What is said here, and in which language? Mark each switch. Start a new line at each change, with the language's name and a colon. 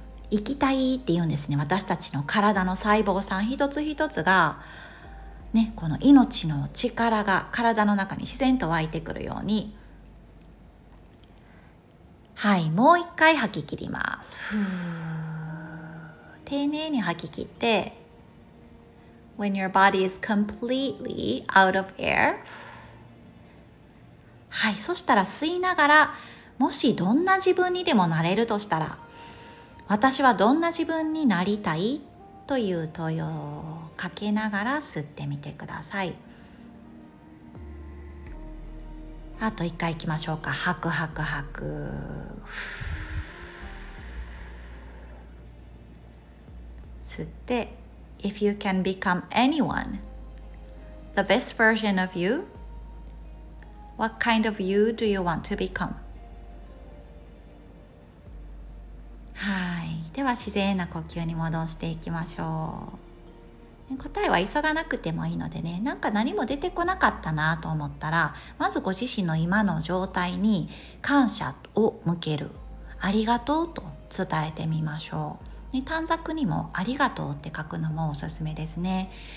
Japanese: 行きたいって言うんですね。私たちの体の細胞さん一つ一つがね、この命の力が体の中に自然と湧いてくるように、はい、もう一回吐き切ります。ふー、丁寧に吐き切って、
English: When your body is completely out of air.
Japanese: はい、そしたら吸いながら、もしどんな自分にでもなれるとしたら、私はどんな自分になりたい? という問いをかけながら吸ってみてください。あと一回行きましょうか。吐く吐く吐く。吸って。
English: If you can become anyone, the best version of you, what kind of you do you want to become?
Japanese: はい。では自然な呼吸に戻していきましょう。答えは急がなくてもいいのでね、なんか何も出てこなかったなと思ったら、まずご自身の今の状態に感謝を向ける。ありがとうと伝えてみましょう。で、短冊にもありがとうって書くのもおすすめですね。